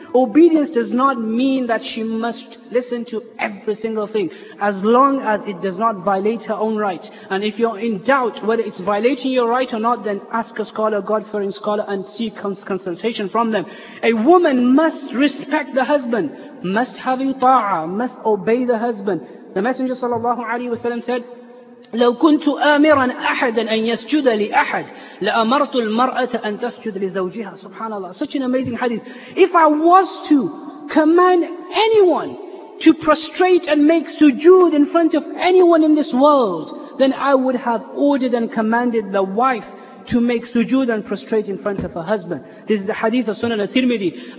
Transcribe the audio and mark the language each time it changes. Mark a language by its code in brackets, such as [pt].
[en] Obedience does not mean that she must listen to every single thing, as long as it does not violate her own right. And if you're in doubt whether it's violating your right or not, then ask a scholar, God-fearing scholar, and seek consultation from them. A woman must respect the husband, must have ita'ah, must obey the husband. The Messenger sallallahu alaihi wasallam said, [ar] لو كنت آمرا أحدا أن يسجد لأحد لأمرت المرأة أن تسجد لزوجها. [en] Subhanallah. Such an amazing hadith. If I was to command anyone to prostrate and make sujood in front of anyone in this world, then I would have ordered and commanded the wife to make sujood and prostrate in front of her husband. This is the hadith of Sunan al-Tirmidhi.